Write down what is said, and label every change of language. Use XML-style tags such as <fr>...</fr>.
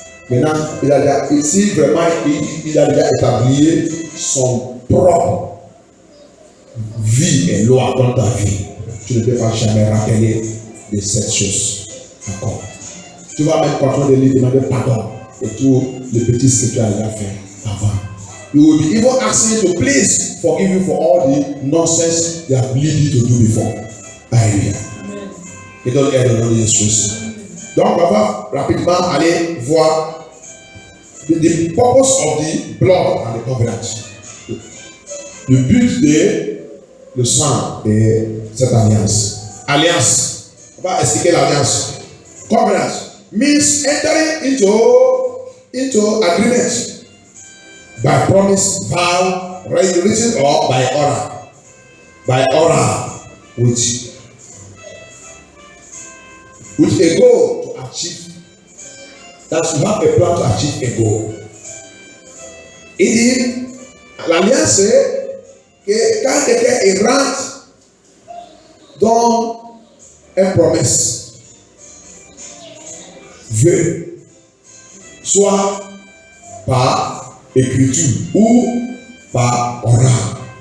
<fr>Maintenant, il a déjà ici vraiment, il a déjà établi son propre vie et loi dans ta vie. Tu ne peux pas jamais rappeler de cette chose encore. Tu vas mettre pardon de lui demander pardon et tout les petits que tu as déjà fait avant.</fr> <en>You will be even asking to please forgive you for all the nonsense you have led you to do before.</en> <fr>Alléluia. Et donc, elle donne une expression. Donc, on va rapidement aller voir</fr> <en>the purpose of the blood and the covenant.</en> <fr>Le but de le sang et cette alliance. Alliance. On va expliquer l'alliance.</fr> <en>Covenant means entering into agreement by promise, vow, written or by oral. By oral, with a goal to achieve. That's not a plan to achieve a goal.</en> <fr>Il dit, l'alliance c'est que quand quelqu'un est grand, donne une promesse, veut, soit par écriture ou par oral.</fr>